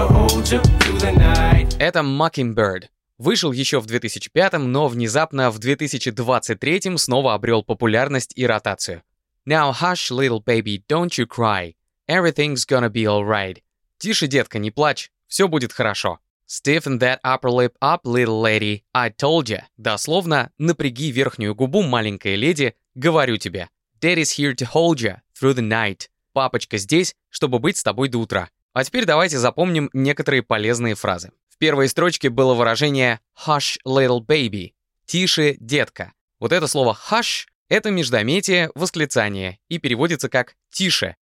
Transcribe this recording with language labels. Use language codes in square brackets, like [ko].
[ru] Это Mockingbird. Вышел еще в 2005, но внезапно в 2023 снова обрел популярность и ротацию. [en] Now hush, little baby, don't you cry. Everything's gonna be alright. [ru] Тише, детка, не плачь, все будет хорошо. [en] Stiffen that upper lip up, little lady, I told ya. [ru] Дословно, напряги верхнюю губу, маленькая леди, говорю тебе. [en] Daddy's here to hold ya through the night. [ru] Папочка здесь, чтобы быть с тобой до утра. А теперь давайте запомним некоторые полезные фразы. В первой строчке было выражение [en] «hush, little baby» [ru] – «тише, детка». Вот это слово «hush» – это междометие, восклицание, и переводится как «тише».